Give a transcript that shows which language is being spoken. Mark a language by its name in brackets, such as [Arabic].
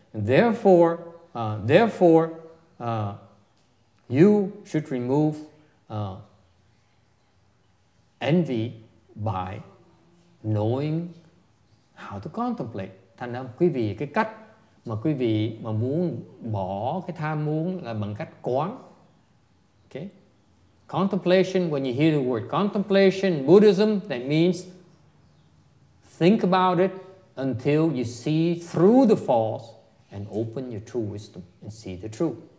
[English] And therefore, you should remove envy by knowing how to contemplate. [Vietnamese] Thành ra quý vị cái cách mà quý vị mà muốn bỏ cái tham muốn là bằng cách quán. [English] Okay. Contemplation, when you hear the word contemplation, Buddhism, that means think about it until you see through the false and open your true wisdom and see the truth.